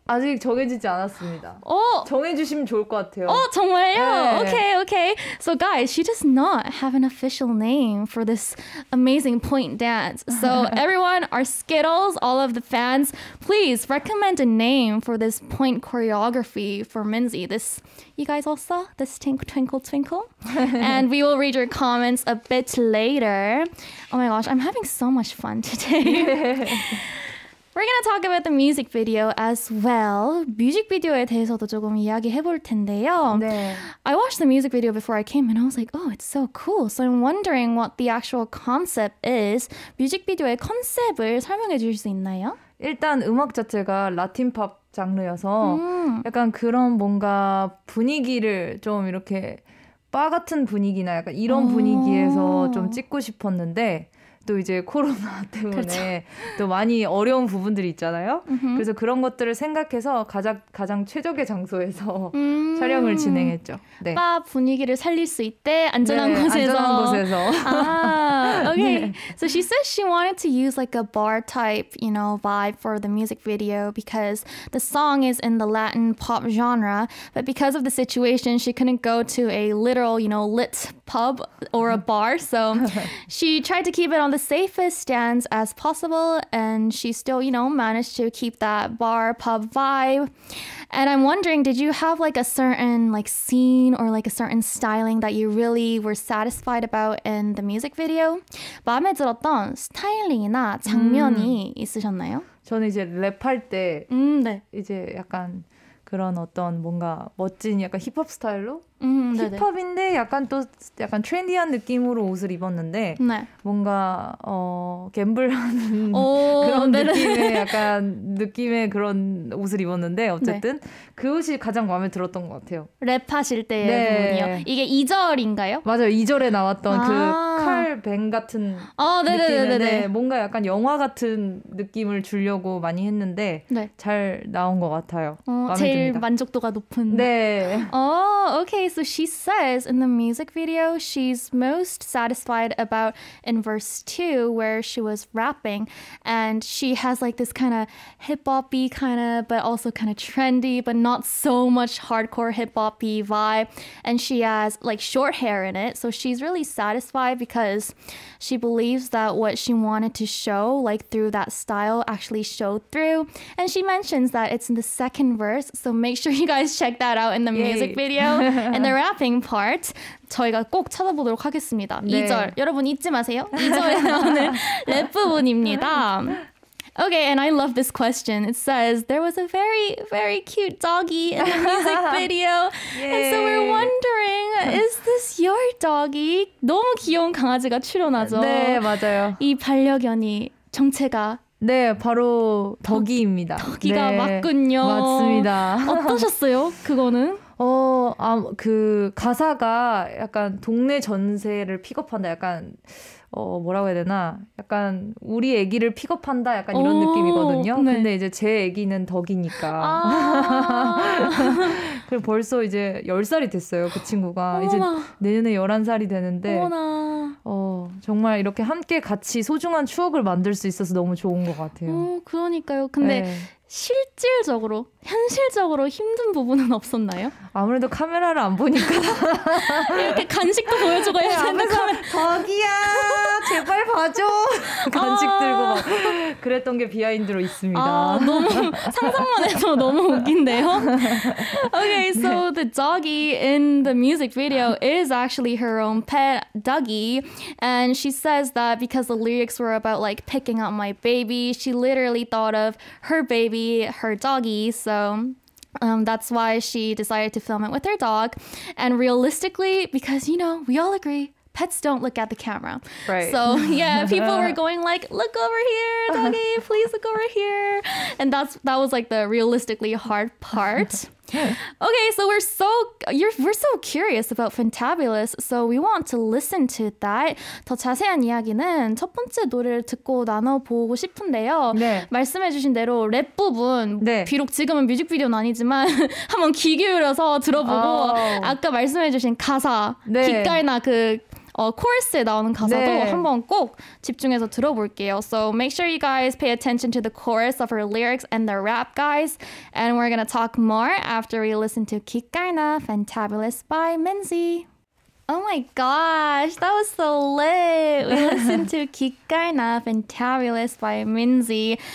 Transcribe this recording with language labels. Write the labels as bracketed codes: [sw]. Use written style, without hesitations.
[ko] 아직 정해지지 않았습니다. 정해주시면 좋을 것 같아요. 정말요? 네. [en] Okay, okay. So guys, she does not have an official name for this amazing point dance. So everyone, our Skittles, all of the fans, please recommend a name for this point choreography for Minzy. This, you guys all saw? This twinkle, twinkle, twinkle? And we will read your comments a bit later. Oh my gosh, I'm having so much fun today. We're going to talk about the music video as well. [ko] 뮤직비디오에 대해서도 조금 이야기해 볼 텐데요. 네. [en] I watched the music video before I came and I was like, oh, it's so cool. So I'm wondering what the actual concept is. [ko] 뮤직비디오의 컨셉을 설명해 주실 수 있나요? 일단 음악 자체가 라틴 팝 장르여서 약간 그런 뭔가 분위기를 좀 이렇게 바 같은 분위기나 약간 이런 분위기에서 좀 찍고 싶었는데 또 이제 코로나 때문에 그렇죠. 또 많이 어려운 부분들이 있잖아요. 그래서 그런 것들을 생각해서 가장 최적의 장소에서 촬영을 진행했죠. 네. 바 분위기를 살릴 수 있대. 안전한 네, 곳에서. 안전한 곳에서. 아, [en] okay. [ko] 네. [en] So she says she wanted to use like a bar type, you know, vibe for the music video because the song is in the Latin pop genre, but because of the situation, she couldn't go to a literal, you know, lit pub or a bar. So she tried to keep it on the safest stands as possible and she still, you know, managed to keep that bar pub vibe. And I'm wondering, did you have like a certain like scene or like a certain styling that you really were satisfied about in the music video? [ko] 마음에 들었던 스타일링이나 장면이 있으셨나요? 저는 이제 랩할 때 네. 이제 약간 그런 어떤 뭔가 멋진 약간 힙합 스타일로 힙합인데 네네. 약간 또 약간 트렌디한 느낌으로 옷을 입었는데 네. 뭔가 갬블하는 그런 네네. 느낌의 약간 느낌의 그런 옷을 입었는데 어쨌든 네. 그 옷이 가장 마음에 들었던 것 같아요. 랩하실 때의 네. 부분이요. 이게 2절인가요? 맞아요. 2절에 나왔던 그 칼뱅 같은 느낌인데 뭔가 약간 영화 같은 느낌을 주려고 많이 했는데 네. 잘 나온 것 같아요. 제일 듭니다. 만족도가 높은 네. [en] Okay, so she says in the music video, she's most satisfied about in verse 2 where she was rapping and she has like this kind of hip-hop-y kind of, but also kind of trendy, but not so much hardcore hip-hop-y vibe. And she has like short hair in it. So she's really satisfied because because she believes that what she wanted to show, like through that style, actually showed through. And she mentions that it's in the second verse, so make sure you guys check that out in the music video and the rapping part. [ko] 저희가 꼭 찾아보도록 하겠습니다. 네. 2절 여러분 잊지 마세요. 2절에 나오는 랩 부분입니다. [en] Okay, and I love this question. It says, there was a very, very cute doggy in the music video. And so we're wondering, is this your doggy? [ko] 너무 귀여운 강아지가 출연하죠? 네, 맞아요. 이 반려견이 정체가? 네, 바로 덕이입니다. 덕이가 네, 맞군요. 맞습니다. 어떠셨어요, 그거는? 그 가사가 약간 동네 전세를 픽업한다, 약간... 뭐라고 해야 되나? 약간 우리 아기를 픽업한다 약간 이런 느낌이거든요. 네. 근데 이제 제 아기는 덕이니까. 아~ 그리고 벌써 이제 10살이 됐어요. 그 친구가. 어머나. 이제 내년에 11살이 되는데. 어머나. 정말 이렇게 함께 같이 소중한 추억을 만들 수 있어서 너무 좋은 것 같아요. 그러니까요. 근데 네. 실질적으로, 현실적으로 힘든 부분은 없었나요? 아무래도 카메라를 안 보니까 이렇게 간식도 보여주고 해야 되는데 덕이야 제발 봐줘 간식 들고 막 그랬던 게 비하인드로 있습니다. 너무 상상만 해도 너무 웃긴데요. [en] Okay, so [ko] 네. [en] the doggy in the music video is actually her own pet, Doggy. And she says that because the lyrics were about like picking up my baby, she literally thought of her baby her doggy, so that's why she decided to film it with her dog. And realistically, because you know, we all agree pets don't look at the camera, right? So yeah, people were going like, look over here doggy, please look over here. And that was like the realistically hard part. Okay, so we're so curious about Fantabulous, so we want to listen to that. [ko] 더 자세한 이야기는 첫 번째 노래를 듣고 나눠보고 싶은데요. 네. 말씀해주신 대로 랩 부분, 네. 비록 지금은 뮤직비디오는 아니지만 한번 귀 기울여서 들어보고 아까 말씀해주신 가사, 네. 빛깔나 그 코러스에 나오는 가사도 네. 한번 꼭 집중해서 들어볼게요. [en] So make sure you guys pay attention to the chorus of her lyrics and the rap, guys. And we're gonna talk more after we listen to Kikaina, Fantabulous by Minzy. Oh my gosh, that was so lit. We listened to Kikaina, Fantabulous by Minzy.